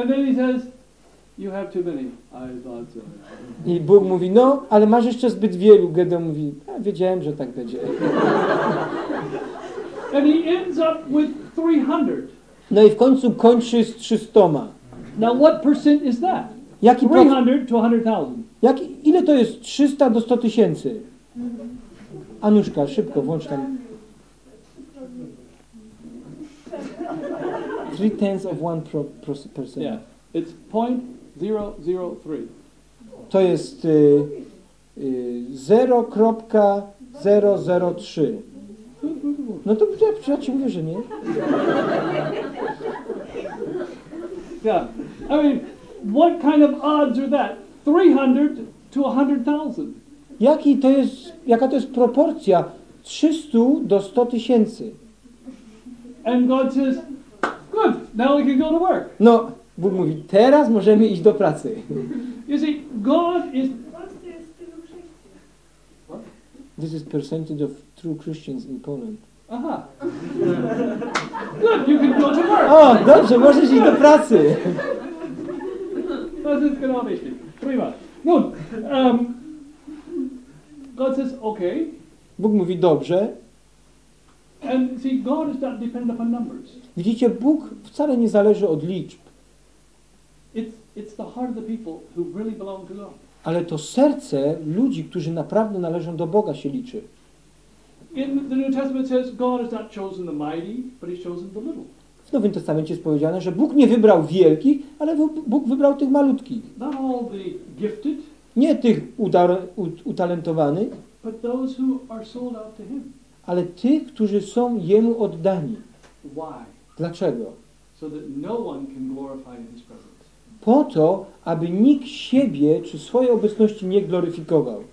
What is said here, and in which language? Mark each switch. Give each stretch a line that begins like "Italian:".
English: And then he says, you have too many. I thought so.
Polish: I Bóg mówi, no, ale masz jeszcze zbyt wielu. Gedeon mówi, ja wiedziałem, że tak będzie.
English: And he ends up with 300.
Polish: No i w końcu kończy z 300.
English: Now what percent is that? 300 to 100,000.
Polish: Ile to jest 300 do 100 tysięcy? Aniuszka, szybko, włącz tam. 0.003%.
English: Yeah, it's 0.003.
Polish: To jest 0.003. No to ja ci mówię, że nie.
English: Yeah, I mean, what kind of odds are that? 300 to 100,000.
Polish: Jaki to jest, jaka to jest proporcja? 300 do 100 tysięcy.
English: And God says, good, now we can go to work.
Polish: No, Bóg mówi, teraz możemy iść do pracy.
English: You see, God is... This is percentage of true Christians in Poland. Aha. Good, you can go to work.
Polish: O, dobrze, możesz iść do pracy. To jest ekonomiczne. Prima. No,
English: God says, okay.
Polish: Bóg mówi, dobrze.
English: And see, God does not depend upon numbers.
Polish: Widzicie, Bóg wcale nie zależy od liczb.
English: It's the heart of the people who really belong to God.
Polish: Ale to serce ludzi, którzy naprawdę należą do Boga, się liczy.
English: In the New Testament says God has not chosen the mighty, but he's chosen the little.
Polish: W Nowym Testamencie jest powiedziane, że Bóg nie wybrał wielkich, ale Bóg wybrał tych malutkich.
English: Not all the gifted.
Polish: Nie tych utalentowanych.
English: But those who are sold out to him.
Polish: Ale tych, którzy są jemu oddani.
English: Why?
Polish: Dlaczego?
English: So that no one can glorify his presence.
Polish: Po to, aby nikt siebie czy swojej obecności nie gloryfikował.